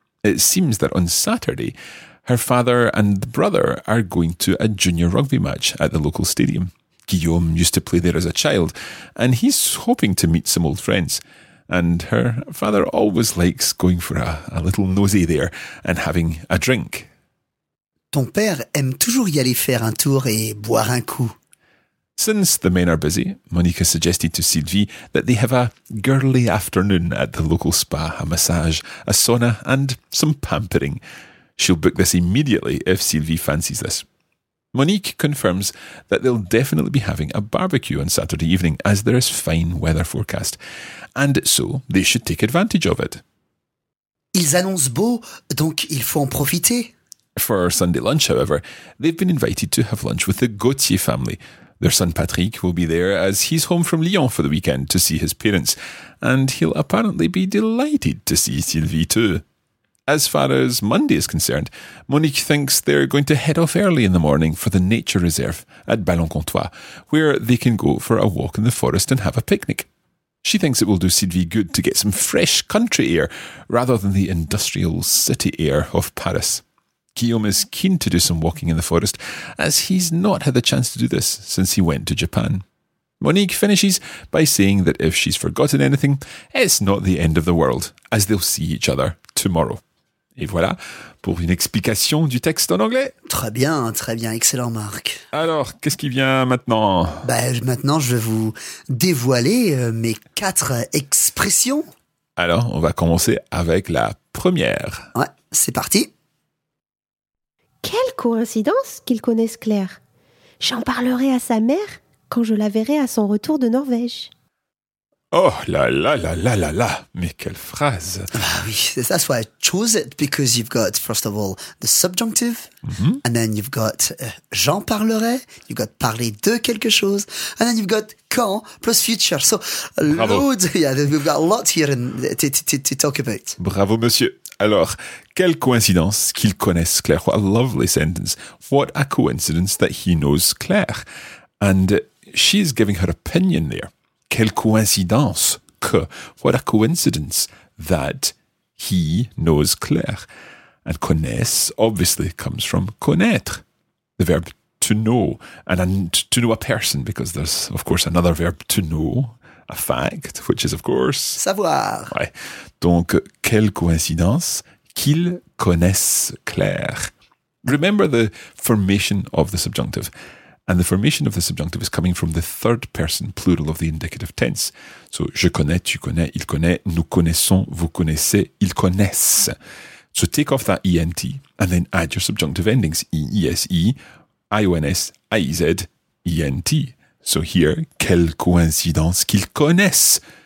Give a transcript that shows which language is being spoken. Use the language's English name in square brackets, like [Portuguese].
[English] It seems that on Saturday, her father and brother are going to a junior rugby match at the local stadium. Guillaume used to play there as a child, and he's hoping to meet some old friends. And her father always likes going for a little nosy there and having a drink. [French] Ton père aime toujours y aller faire un tour et boire un coup. [English] Since the men are busy, Monique suggested to Sylvie that they have a girly afternoon at the local spa, a massage, a sauna and some pampering. She'll book this immediately if Sylvie fancies this. Monique confirms that they'll definitely be having a barbecue on Saturday evening as there is fine weather forecast, and so they should take advantage of it. [French] Ils annoncent beau, donc il faut en profiter. [English] For Sunday lunch, however, they've been invited to have lunch with the Gautier family. Their son Patrick will be there as he's home from Lyon for the weekend to see his parents, and he'll apparently be delighted to see Sylvie too. As far as Monday is concerned, Monique thinks they're going to head off early in the morning for the nature reserve at Ballons Comtois, where they can go for a walk in the forest and have a picnic. She thinks it will do Sylvie good to get some fresh country air rather than the industrial city air of Paris. Guillaume is keen to do some walking in the forest, as he's not had the chance to do this since he went to Japan. Monique finishes by saying that if she's forgotten anything, it's not the end of the world, as they'll see each other tomorrow. [French] Et voilà pour une explication du texte en anglais. Très bien, excellent Marc. Alors, qu'est-ce qui vient maintenant? Maintenant, je vais vous dévoiler mes quatre expressions. Alors, on va commencer avec la première. Ouais, c'est parti. Quelle coïncidence qu'ils connaissent Claire. J'en parlerai à sa mère quand je la verrai à son retour de Norvège. Oh là là là là là là, mais quelle phrase! [English] Ah oui, that's why I chose it, because you've got, first of all, the subjunctive, mm-hmm. and then you've got [French] j'en parlerai, [English] you've got [French] parler de quelque chose, [English] and then you've got quand plus future. So, loads, yeah, we've got a lot here in, to talk about. [French] Bravo, monsieur. Alors, quelle coïncidence qu'il connaisse Claire. [English] What a lovely sentence. What a coincidence that he knows Claire. And she's giving her opinion there. [French] Quelle coïncidence que, [English] what a coincidence that he knows Claire. And connaisse obviously comes from connaître, the verb to know, and to know a person, because there's, of course, another verb to know, a fact, which is, of course, [French] savoir. Ouais. Donc, quelle coïncidence qu'il connaisse Claire. [English] Remember the formation of the subjunctive. And the formation of the subjunctive is coming from the third person plural of the indicative tense. [French] So, je connais, tu connais, il connaît, nous connaissons, vous connaissez, ils connaissent. [English] So, take off that ENT and then add your subjunctive endings. E-E-S-E, I-O-N-S, I-E-Z, E-N-T. So, here, [French] quelle coïncidence qu'ils connaissent.